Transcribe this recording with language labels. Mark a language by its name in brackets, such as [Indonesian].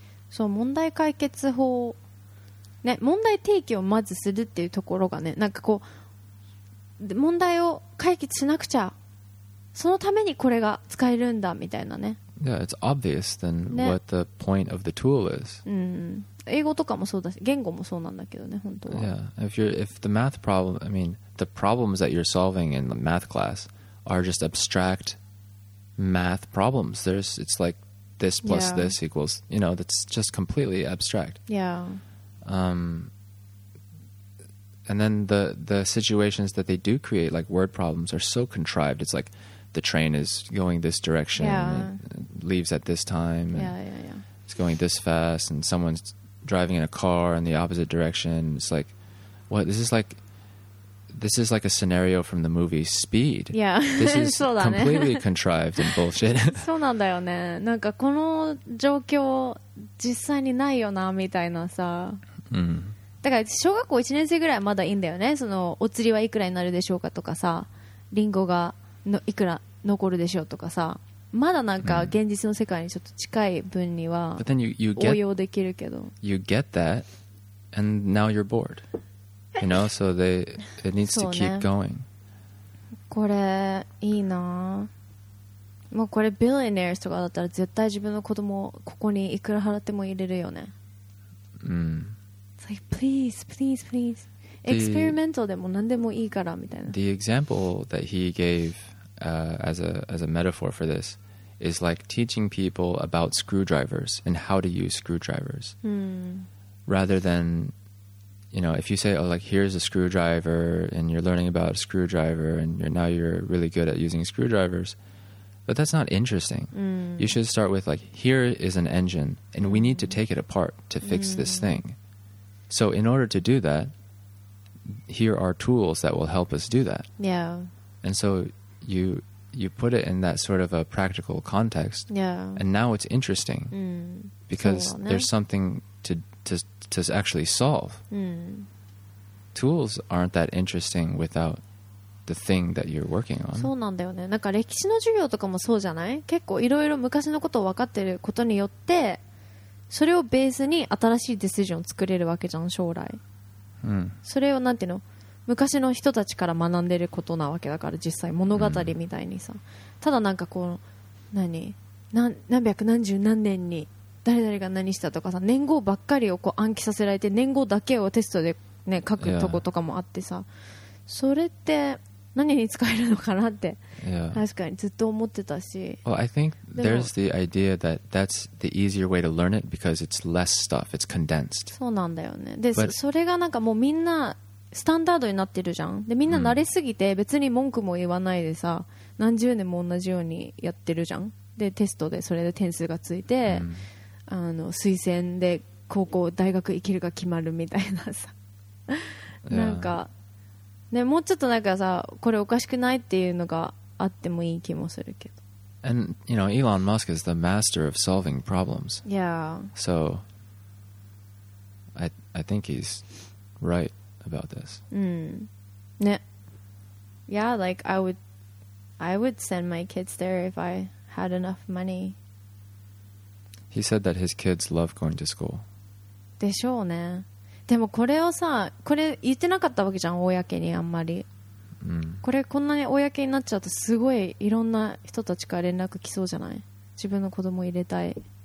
[Japanese] そう、問題解決法ね、問題提起をまずするっていうところがね、なんかこう問題を解決しなくちゃ、そのためにこれが使えるんだみたいなね。 [English] Yeah, it's obvious then、ね、what the point of the tool is. [Japanese] うん、英語とかもそうだし、言語もそうなんだけどね、本当は。 [English] Yeah, if the math problem, I mean, the problems that you're solving in the math class are just abstract math problems. There's, it's like this plus、yeah. this equals, you know, that's just completely abstract. Yeah. And then the situations that they do create, like word problems, are so contrived. It's like the train is going this direction,、 yeah. leaves at this time, and yeah. it's going this fast, and someone's driving in a car in the opposite direction. It's like, what? This is like a scenario from the movie Speed. Yeah, this is completely contrived and bullshit. [Japanese] そうなんだよね。なんかこの状況実際にないよなみたいなさ。 Mm-hmm. だから小学校1年生ぐらいまだいいんだよね。そのお釣りはいくらになるでしょうかとかさ、リンゴがのいくら残るでしょうとかさ、まだなんか現実の世界にちょっと近い分には応用できるけど、 [English] you get that and now you're bored, you know, so they it needs to keep going、ね、 [Japanese] これいいな。もうこれビリオネアとかだったら絶対自分の子供ここにいくら払っても入れるよね。うん、 [English] like please please please experimental [Japanese] でも何でもいいからみたいな。 [English] The example that he gave、as a metaphor for this is like teaching people about screwdrivers and how to use screwdrivers、 mm. rather than, you know, if you say, oh, like here's a screwdriver and you're learning about a screwdriver and you're, now you're really good at using screwdrivers, but that's not interesting、 mm. you should start with like, here is an engine and we need to take it apart to fix、mm. this thingSo in order to do that, here are tools that will help us do that. Yeah. And so you put it in that sort of a practical context. Yeah. And now it's interesting、 mm. because so, there's、ね、something to actually solve.、 Mm. Tools aren't that interesting without the thing that you're working on. [Japanese] そうなんだよね。なんか歴史の授業とかもそうじゃない？結構いろいろ昔のことを分かってることによって、それをベースに新しいディシジョンを作れるわけじゃん将来、うん、それをなんていうの、昔の人たちから学んでることなわけだから、実際物語みたいにさ、うん、ただなんかこう何百何十何年に誰々が何したとかさ、年号ばっかりをこう暗記させられて年号だけをテストで、ね、書くとことかもあってさ、それって何に使えるのかなって、 [English] yeah. [Japanese] 確かにずっと思ってたし。 [English] Well, I think there's the idea that that's the easier way to learn it because it's less stuff, it's condensed. [Japanese] そうなんだよね。で、それがなんかもうみんなスタンダードになってるじゃん。で、みんな慣れすぎて別に文句も言わないでさ、何十年も同じようにやってるじゃん。で、テストでそれで点数がついて、あの推薦で高校大学行けるか決まるみたいなさ、なんか。ね、もうちょっとなんかさ、これおかしくないっていうのがあってもいい気もするけど。 [English] And you know, Elon Musk is the master of solving problems. Yeah. So, I think he's right about this. Mm. ね。 Yeah, like I would send my kids there if I had enough money. He said that his kids love going to school. [Japanese] でしょうね。でもこれをさ、これ言ってなかったわけじゃん、公にあんまり、うん、これこんなに公になっちゃうとすごいいろんな人たちから連絡来そうじゃない、自分の子供入れたい。